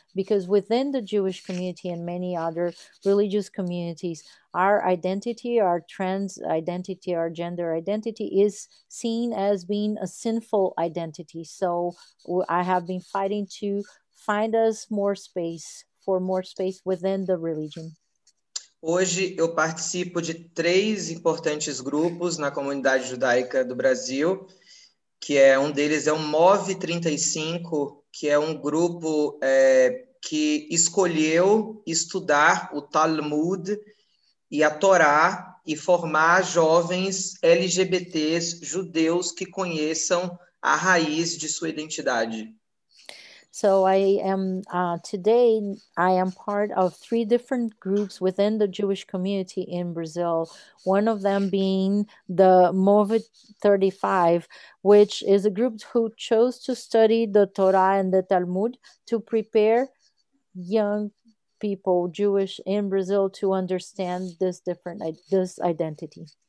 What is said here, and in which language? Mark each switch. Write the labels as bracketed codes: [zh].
[en] Because within the Jewish community and many other religious communities, our identity, our trans identity, our gender identity is seen as being a sinful identity. So I have been fighting to find us more space, for more space within the religion. [pt] Hoje eu participo de três importantes grupos na comunidade judaica do Brasil, que é um deles é o Move 35, que é um grupo que escolheu estudar o Talmud e a Torá e formar jovens LGBTs judeus que conheçam a raiz de sua identidade. [en] So I am today I am part of three different groups within the Jewish community in Brazil, one of them being the Move 35, which is a group who chose to study the Torah and the Talmud to prepare young people, Jewish in Brazil, to understand this identity.